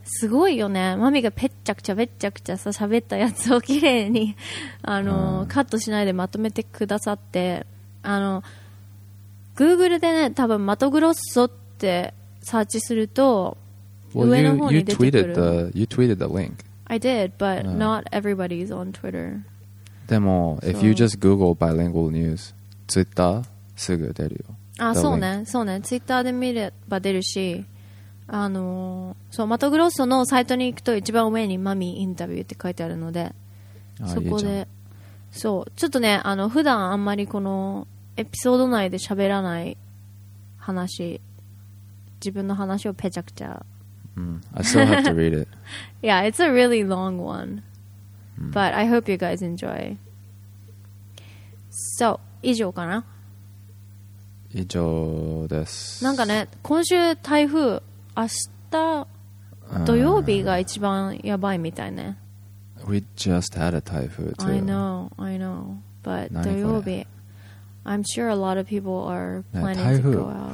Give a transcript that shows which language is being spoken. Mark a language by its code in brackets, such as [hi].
[ja] すごいよね、マミがぺっちゃくちゃぺっちゃくちゃさ喋ったやつをきれいに、カットしないでまとめてくださって、Google でね、多分マトグロッソってサーチすると上の方に出てくる。 [en] You tweeted the link. I did, but not everybody is on Twitter. [ja] でも、 [en] so. if you just Google bilingual news, Twitter [ja] すぐ出るよ。あ、そうね、そうね、 Twitter で見れば出るし、そう、マトグロッソのサイトに行くと一番上にマミインタビューって書いてあるので、そこで、そう、ちょっとね、普段あんまりこのエピソード内で喋らない話、自分の話をペチャクチャ、うん、 [en] I still have to read it. Yeah, it's a really long one、うん、But I hope you guys enjoy. So, [ja] 以上かな。以上です。なんかね、今週台風、明日土曜日が一番やばいみたいね。 [en] We just had a 台風 too. I know. But 土曜日、I'm sure a lot of people are planning to go out.